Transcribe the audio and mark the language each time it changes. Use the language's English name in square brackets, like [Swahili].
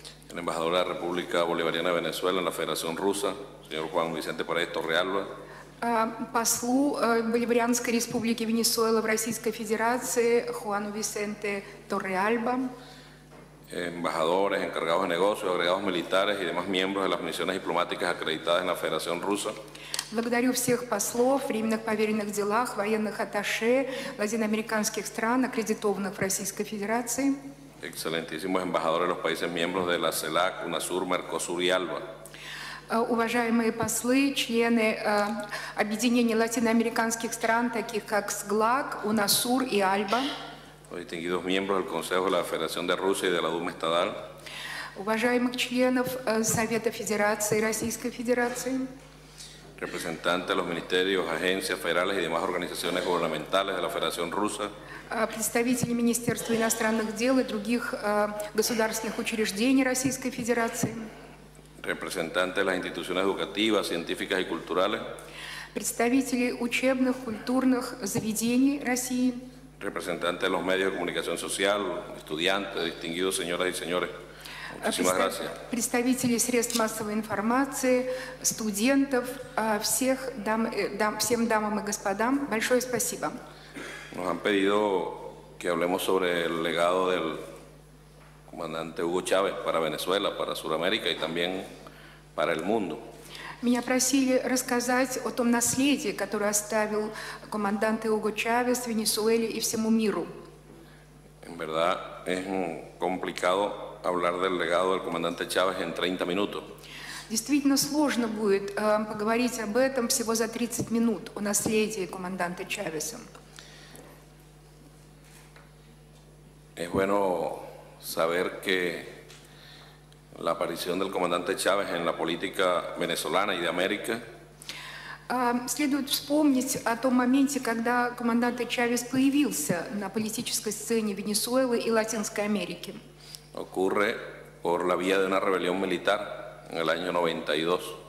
[Spanish] El embajador de la República Bolivariana de Venezuela en la Federación Rusa, señor Juan Vicente Paredes Torrealba. [Russian] Послу Боливарианской Республики Венесуэла в Российской Федерации Хуану Висенте Торреальба. [Spanish] Embajadores, encargados de negocios, agregados militares y demás miembros de las misiones diplomáticas acreditadas en la Federación Rusa. [Russian] Благодарю всех послов, временных поверенных делах, военных атташе, латиноамериканских стран, аккредитованных в Российской Федерации. [Spanish] Excelentísimos embajadores de los países miembros de la CELAC, UNASUR, MERCOSUR y ALBA. [Russian] Уважаемые послы, члены объединения латиноамериканских стран, таких как СГЛАК, УНАСУР и АЛЬБА. [Spanish] Los distinguidos miembros del Consejo de la Federación de Rusia y de la Duma Estadal. [Russian] Уважаемых членов Совета Федерации Российской Федерации. [Spanish] Representantes de los ministerios, agencias federales y demás organizaciones gubernamentales de la Federación Rusa. [Russian] Представители Министерства иностранных дел и других государственных учреждений Российской Федерации. [Spanish] Representantes de las instituciones educativas, científicas y culturales. [Russian] Представители учебных, культурных заведений России. [Spanish] Representantes de los medios de comunicación social, estudiantes, distinguidos señoras y señores. Muchísimas gracias. [Russian] Представители средств массовой информации, студентов, всех дам, всем дамам и господам, большое спасибо. [Spanish] Nos han pedido que hablemos sobre el legado del comandante Hugo Chávez para Venezuela, para Sudamérica y también para el mundo. [Russian] Меня просили рассказать о том наследии, которое оставил командант Уго Чавес Венесуэле и всему миру. [Spanish] En verdad es complicado hablar del legado del comandante Chávez en 30 minutos. [Russian] Действительно сложно будет поговорить об этом всего за 30 минут о наследии команданта Чавеса. [Spanish] Es bueno saber que La aparición del comandante Chávez en la política venezolana y de América. [Russian] Следует вспомнить о том моменте, когда командант Чавес появился на политической сцене Венесуэлы и Латинской Америки. [Spanish] Ocurre por la vía de una rebelión militar en el año 92.